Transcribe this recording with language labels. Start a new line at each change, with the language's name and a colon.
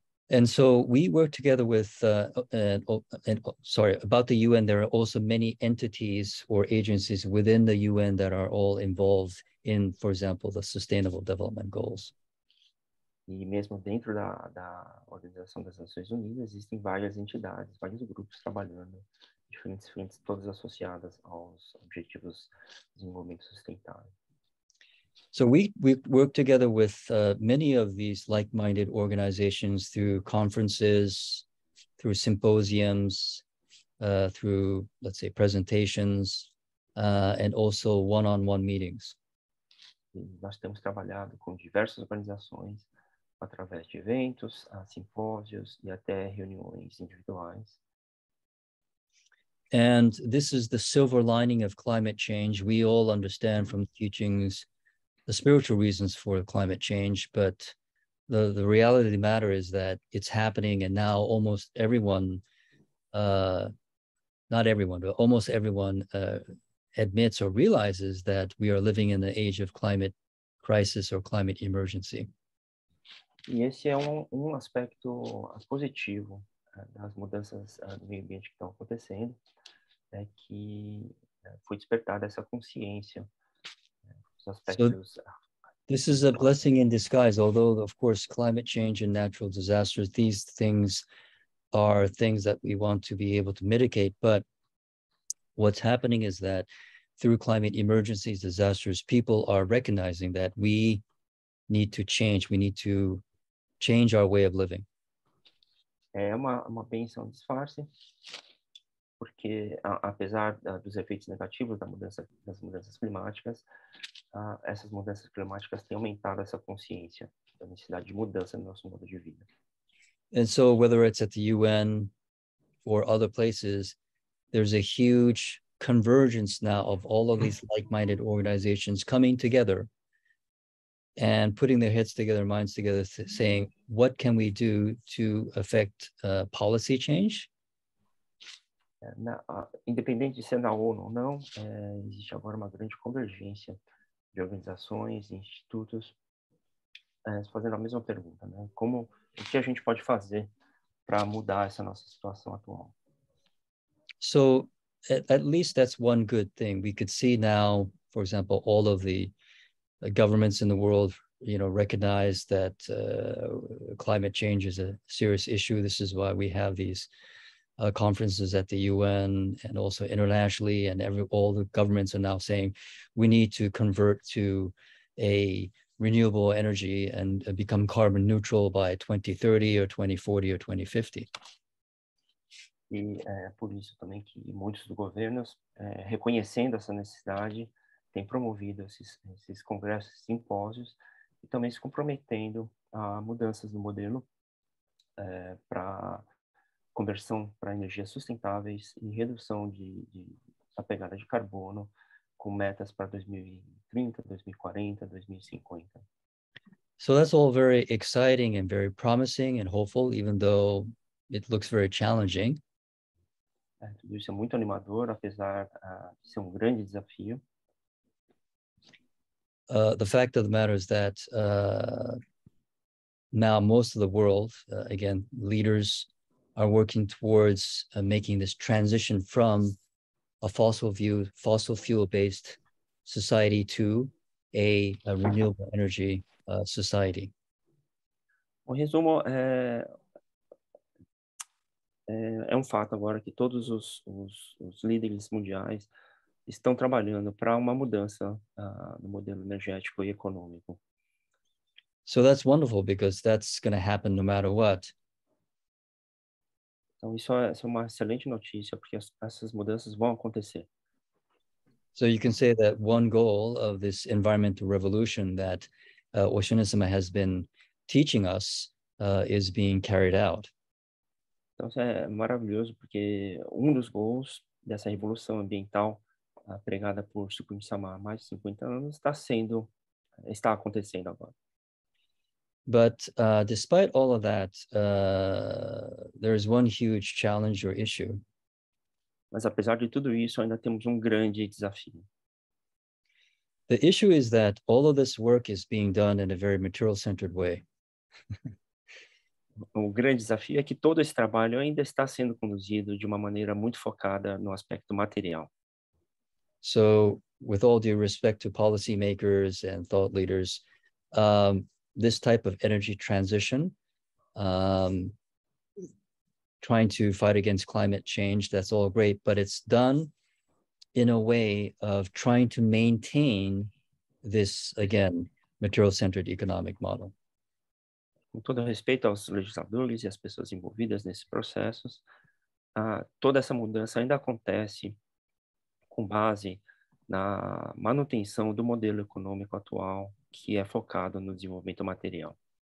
English: And so we work together with, about the UN, there are also many entities or agencies within the UN that are all involved in, for example, the Sustainable Development Goals.
Portuguese: E mesmo dentro da Organização das Nações Unidas, existem várias entidades, vários grupos trabalhando, diferentes frentes, todas associadas aos Objetivos de Desenvolvimento Sustentável.
English: So we work together with many of these like-minded organizations through conferences, through symposiums, through, let's say, presentations, and also one-on-one meetings.
Portuguese: Nós temos trabalhado com diversas organizações através de eventos, simpósios e até reuniões individuais.
English: And this is the silver lining of climate change. We all understand from teachings the spiritual reasons for climate change, but the reality of the matter is that it's happening, and now almost everyone, not everyone, but almost everyone admits or realizes that we are living in the age of climate crisis or climate emergency.
Portuguese: E esse é um aspecto positivo das mudanças no meio ambiente que estão acontecendo, é que foi despertada essa consciência.
English: So this is a blessing in disguise, although, of course, climate change and natural disasters, these things are things that we want to be able to mitigate. But what's happening is that through climate emergencies, disasters, people are recognizing that we need to change. We need to change our way of living.
Portuguese: É uma bênção disfarce, porque apesar dos efeitos negativos das mudanças climáticas, essas mudanças climáticas têm aumentado essa consciência da necessidade de mudança no nosso modo de vida.
English: And so, whether it's at the UN or other places, there's a huge convergence now of all of these like-minded organizations coming together and putting their heads together, minds together, saying, what can we do to affect policy change?
Portuguese: Independente de ser na ONU ou não, existe agora uma grande convergência de organizações, de institutos, fazendo a mesma pergunta, né? Como, o que a gente pode fazer para mudar essa nossa situação atual?
English: So, at least that's one good thing. We could see now, for example, all of the governments in the world, you know, recognize that climate change is a serious issue. This is why we have these conferences at the UN and also internationally, and all the governments are now saying we need to convert to a renewable energy and become carbon neutral by 2030 or 2040 or 2050.
Portuguese: E por isso também que muitos dos governos, reconhecendo essa necessidade, têm promovido esses congressos, esses simpósios, e também se comprometendo a mudanças no modelo para conversão para energias sustentáveis e redução da pegada de carbono com metas para 2030, 2040, 2050.
English: So that's all very exciting and very promising and hopeful, even though it looks very challenging.
Portuguese: Tudo isso é muito animador, apesar de ser um grande desafio.
English: The fact of the matter is that now most of the world, again, leaders are working towards making this transition from a fossil fuel-based society to a renewable energy society.
Portuguese: O resumo é um fato agora que todos os líderes mundiais estão trabalhando para uma mudança no modelo energético e econômico.
English: So that's wonderful, because that's going to happen no matter what.
Portuguese: Então, isso é uma excelente notícia, porque essas mudanças vão acontecer.
English: So you can say that one goal of this environmental revolution that Oceanism has been teaching us is being carried out.
Portuguese: Então, isso é maravilhoso, porque um dos gols dessa revolução ambiental pregada por Shimizu há mais de 50 anos está acontecendo agora.
English: But despite all of that, there is one huge challenge or issue.
Portuguese: Mas apesar de tudo isso, ainda temos grande desafio.
English: The issue is that all of this work is being done in a very material-centered way.
Portuguese: O grande desafio é que todo esse trabalho ainda está sendo conduzido de uma maneira muito focada no aspecto material.
English: So, with all due respect to policymakers and thought leaders, this type of energy transition, trying to fight against climate change, that's all great, but it's done in a way of trying to maintain this, again, material-centered economic model.
Portuguese: Com todo respeito aos legisladores e às pessoas envolvidas nesses processos, toda essa mudança ainda acontece com base na manutenção do modelo econômico atual, que é focado no desenvolvimento material.